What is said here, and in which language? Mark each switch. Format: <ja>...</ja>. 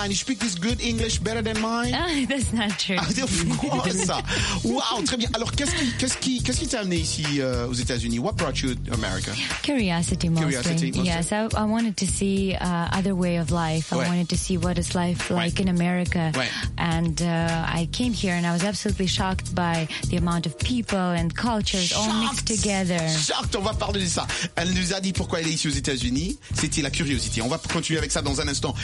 <en>And you speak this good English better than mine? That's not true. Ah, of course. Wow,</en> <fr>très bien. Alors, qu'est-ce qui t'a amené ici aux États-Unis?</fr> <en>What brought you to America? Curiosity, mostly. Yes, I wanted to see other way of life. I wanted to see what is life like in America. And I came here and I was absolutely shocked by the amount of people and cultures all mixed together.</en> <fr>Shocked, on va parler de ça. Elle nous a dit pourquoi elle est ici aux États-Unis. C'était la curiosité. On va continuer avec ça dans un instant.</fr>